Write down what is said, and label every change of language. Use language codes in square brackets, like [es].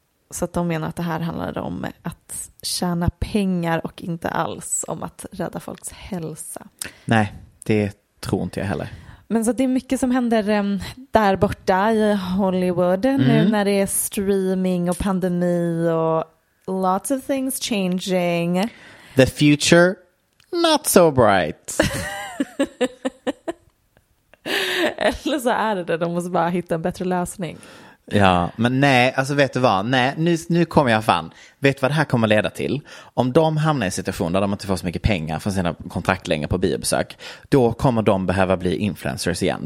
[sv] Så att de menar att det här handlar om att tjäna pengar och inte alls om att rädda folks hälsa. Nej, det tror inte jag heller. Men så det är mycket som händer där borta i Hollywood nu när det är streaming och pandemi och [en] lots of things changing. The future, not so bright. [sv] Eller så är det, de måste bara hitta en bättre lösning. Ja, men nej, alltså vet du vad? Nej, nu kommer jag fan. Vet vad det här kommer leda till? Om de hamnar i en situation där de inte får så mycket pengar från sina kontrakt längre på biobesök, då kommer de behöva bli influencers igen.